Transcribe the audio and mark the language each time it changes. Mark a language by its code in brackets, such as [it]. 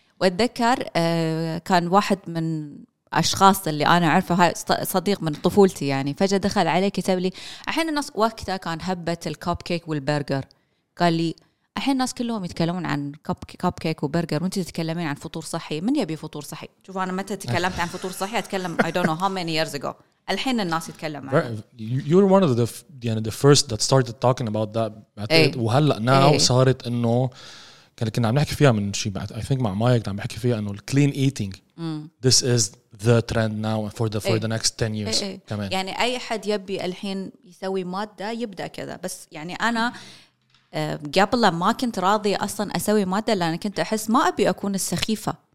[ar] وأتذكر كان واحد من أشخاص اللي أنا أعرفه، صديق من طفولتي يعني، فجأة دخل علي كتب لي الحين الناس، وقتها كان هبة الكوب كيك والبرجر، قال لي الحين الناس كلهم يتكلمون عن كوب كيك وبرجر وانت تتكلمين عن فطور صحي، من يبي فطور صحي؟ شوف أنا متى تكلمت عن فطور صحي، أتكلم [en] I don't know how many years ago. [ar] الحين الناس يتكلم عنه. [en] You're one of the first that started talking about that. [ar] وهلأ now صارت إنه كنا عم نحكي فيها من شيء بعد، [en] I think [ar] مع مايك عم نحكي فيها إنه [en] clean eating this is the trend now for the next 10 years. [ar] كمان يعني أي حد يبي الحين يسوي مادة يبدأ كذا. بس يعني أنا قبل ما كنت راضي أصلا أسوي مادة، لأن كنت أحس ما أبي أكون السخيفة.